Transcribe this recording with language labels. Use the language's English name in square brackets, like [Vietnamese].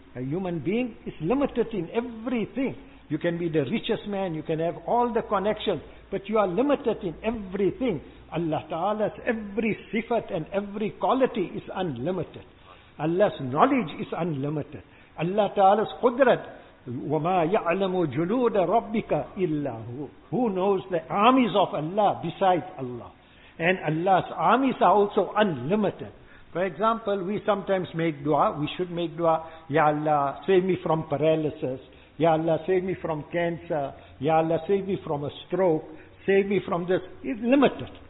[English] A human being is limited in everything. You can be the richest man, you can have all the connections, but you are limited in everything. Allah Ta'ala's every sifat and every quality is unlimited. Allah's knowledge is unlimited. Allah Ta'ala's qudrat, [Arabic] وَمَا يَعْلَمُ جُلُودَ رَبِّكَ إِلَّا هُوَ. [English] Who knows the armies of Allah besides Allah? And Allah's armies are also unlimited. For example, we sometimes make dua, we should make dua, Ya Allah, save me from paralysis, Ya Allah, save me from cancer, Ya Allah, save me from a stroke, save me from this. It's limited.